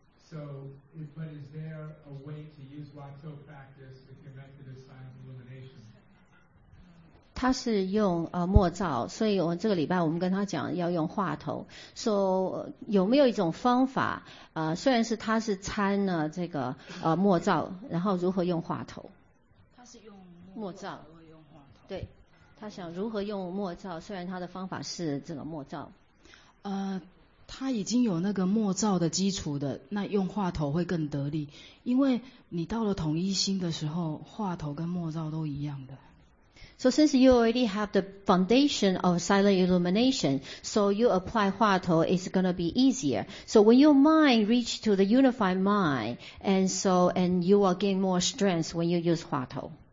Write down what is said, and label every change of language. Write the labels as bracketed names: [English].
[English] So, but is there a way to use Watto practice if you're meant to do silent illumination? [Chinese] 他是用默照，所以我这个礼拜我们跟他讲要用话头。 So, 有没有一种方法？虽然是他是参了这个默照，然后如何用话头？他是用默照，而用话头。对，他想如何用默照，虽然他的方法是这个默照。他已经有那个默照的基础的，那用话头会更得力，因为你到了统一心的时候，话头跟默照都一样的。 [English] So since you already have the foundation of silent illumination, so you apply 话头 is going to be easier. So when your mind reach to the unified mind, and so and you will gain more strength when you use 话头。